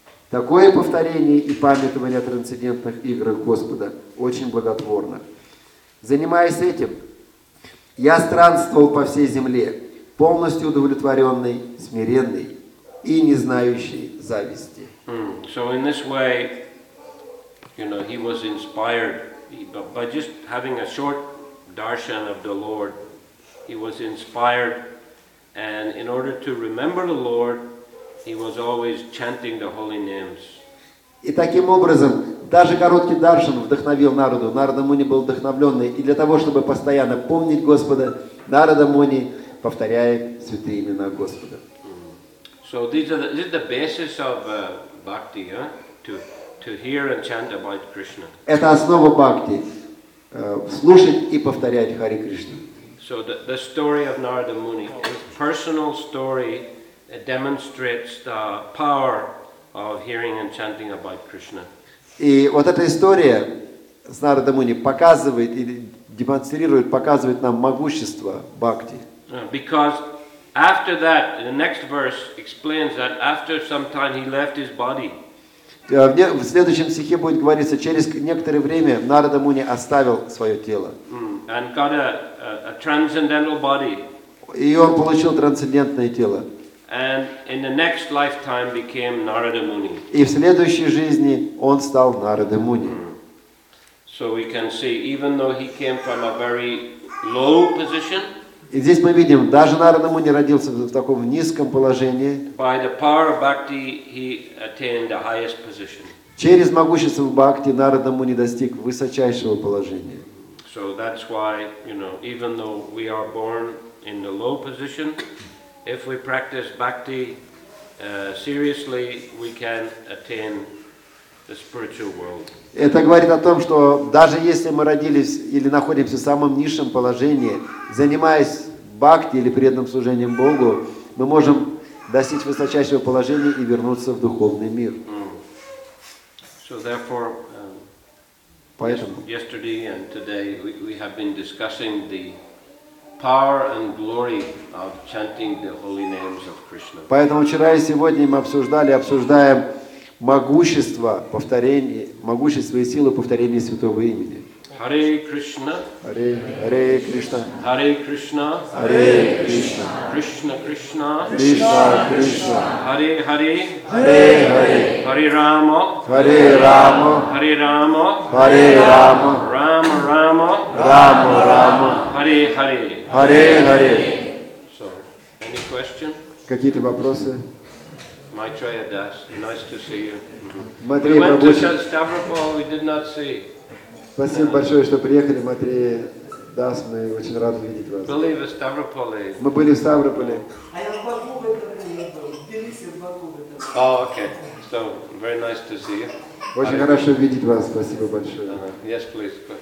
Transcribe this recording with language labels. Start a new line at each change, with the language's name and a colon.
Russian: Такое повторение и памятование о трансцендентных играх Господа очень благотворно. Занимаясь этим, я странствовал по всей земле, полностью удовлетворенный, смиренный и не знающий зависти.
English: So in this way, you know, he was inspired. By just having a short darshan of the Lord, he was inspired, and in order to remember the Lord, he was always chanting the holy names.
Russian: И таким образом, даже короткий даршан вдохновил Нараду. Нарада Муни был вдохновленный, и для того, чтобы постоянно помнить Господа, Нарада Муни повторяет святые имена Господа.
English: So this is the basis of bhakti, to hear and chant about Krishna.
Russian: Это основа бхакти, слушать и повторять Хари Кришну.
English: So the story of Narada Muni, his personal story, demonstrates the power of hearing and chanting about Krishna.
Russian: И вот эта история с Нарада Муни показывает и демонстрирует, показывает нам могущество бхакти.
English: Because after that, the next verse explains that after some time he left his body.
Russian: В следующем стихе будет говориться, через некоторое время Нарада Муни оставил свое тело.
English: And got a transcendental body.
Russian: И он получил трансцендентное тело.
English: And in the next lifetime became Narada Muni.
Russian: И в следующей жизни он стал Нарада Муни.
English: So we can see, even though he came from a very low position.
Russian: И здесь мы видим, даже Нарада Муни родился в таком низком положении.
English: By the power of bhakti, he attained the highest position.
Russian: Через могущество бхакти Нарада Муни достиг высочайшего положения.
English: So that's why, you know, even though we are born in the low position, if we practice bhakti seriously, we can attain the spiritual world.
Russian: Это говорит о том, что даже если мы родились или находимся в самом низшем положении, занимаясь бхакти или преданным служением Богу, мы можем достичь высочайшего положения и вернуться в духовный мир.
English: So therefore,
Russian: поэтому
English: yesterday and today we have been discussing the power and glory of chanting the holy names of Krishna.
Russian: Поэтому вчера и сегодня мы обсуждаем могущество повторения, могущество и силу повторения святого имени.
Sanskrit: Hare Krishna. Hare, Hare Krishna. Hare Krishna. Hare Krishna. Krishna Krishna. Krishna Krishna. Hare Hare. Hare Hare. Hare Rama. Hare Rama. Hare Rama. Hare Rama. Rama Rama. Rama Rama. Hare Hare. Hare Hare.
English: So, any question?
Russian: Какие-то вопросы?
English: Maitreya Das, nice to see you. Maitreya, we went to Stavropol, we did not see.
Russian: Спасибо большое, что приехали, Матрея Дас, мы очень рады видеть вас. Мы были в Ставрополе. А я в Баку в это время был. В Тбилиси, в Баку в это время.
English: Oh, okay. So, very nice to see you.
Russian: Очень хорошо видеть вас, спасибо большое.
English: Yes, please.